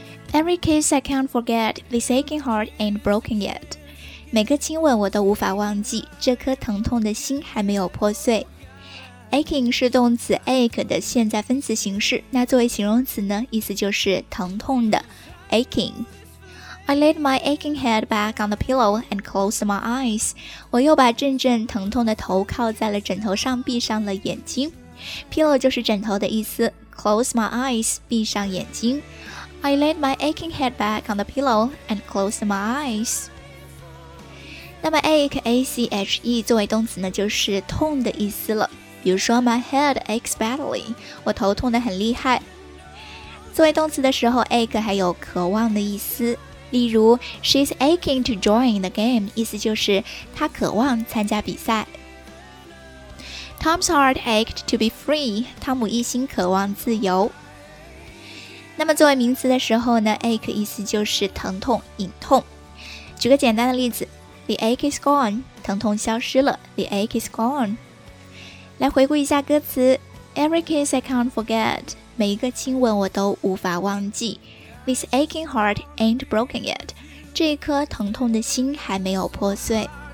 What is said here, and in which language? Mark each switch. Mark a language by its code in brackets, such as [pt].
[en] Every kiss I can't forget, this aching heart ain't broken yet. [zh] 每个亲吻我都无法忘记，这颗疼痛的心还没有破碎。 Aching 是动词 ache 的现在分词形式，那作为形容词呢，意思就是疼痛的 aching。 [en] I laid my aching head back on the pillow and closed my eyes. [zh] 我又把阵阵疼痛的头靠在了枕头上，闭上了眼睛。 Pillow 就是枕头的意思。 [en] Close my eyes, [zh] 闭上眼睛。 [en] I laid my aching head back on the pillow and closed my eyes. [zh] 那么 ache, A-C-H-E 作为动词呢，就是痛的意思了。比如说 [en] my head aches badly, [zh] 我头痛得很厉害。作为动词的时候 ache 还有渴望的意思。例如 [en] she's aching to join the game, [zh] 意思就是她渴望参加比赛。 [en] Tom's heart ached to be free, [zh] 汤姆一心渴望自由。那么作为名词的时候呢 ache 意思就是疼痛、隐痛。举个简单的例子 [en] The ache is gone, [zh] 疼痛消失了 [en] The ache is gone。 [zh] 来回顾一下歌词 [en] Every kiss I can't forget, [zh] 每一个亲吻我都无法忘记 [en] This aching heart ain't broken yet, [zh] 这一颗疼痛的心还没有破碎。